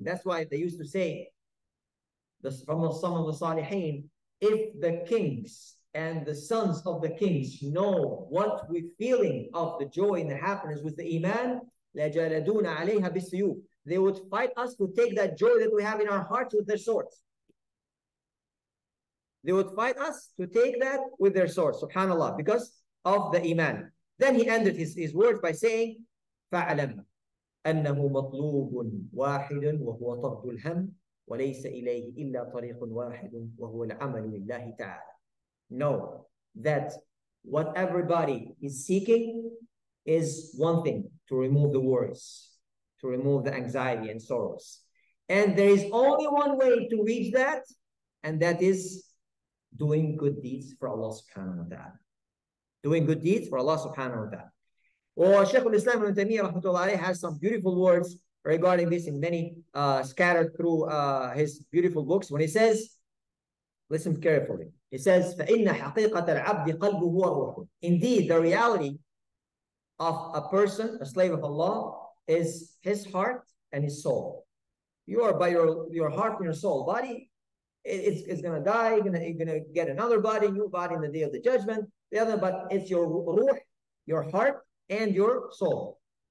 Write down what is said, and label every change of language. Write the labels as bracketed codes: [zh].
[en] That's why they used to say, from some of the Salihin, if the kings and the sons of the kings know what we're feeling of the joy and the happiness with the Iman, [ar] لَجَلَدُونَ عَلَيْهَا بِالسُّيُوبِ, [en] they would fight us to take that joy that we have in our hearts with their swords. They would fight us to take that with their swords, subhanAllah, because of the Iman. Then he ended his words by saying, [ar] فَعْلَمْ أَنَّهُ مَطْلُوبٌ وَاحِدٌ وَهُوَ طَرْدُ الْهَمِّ وَلَيْسَ إِلَيْهِ إِلَّا طَرِيقٌ وَاحِدٌ وَهُوَ الْعَمَلُ لِلَّهِ تَعَالَى. [en] Know that what everybody is seeking is one thing, to remove the worries, to remove the anxiety and sorrows. And there is only one way to reach that, and that is doing good deeds for Allah subhanahu wa ta'ala. Doing good deeds for Allah subhanahu wa ta'ala. Well, Shaykh al-Islam ibn Taymiyyah rahmatullahi alayhi has some beautiful words regarding this in many scattered through his beautiful books. When he says, listen carefully. He says, [ar] فَإِنَّ حَقِيقَةَ الْعَبْدِ قَلْبُهُ وَرُوحُهُ. [en] Indeed, the reality of a person, a slave of Allah, is his heart and his soul. You are by your heart and your soul. Body, it's going to die. You're going to get another body, new body in the day of the judgment. The other, but it's your ruh, your heart, and your soul.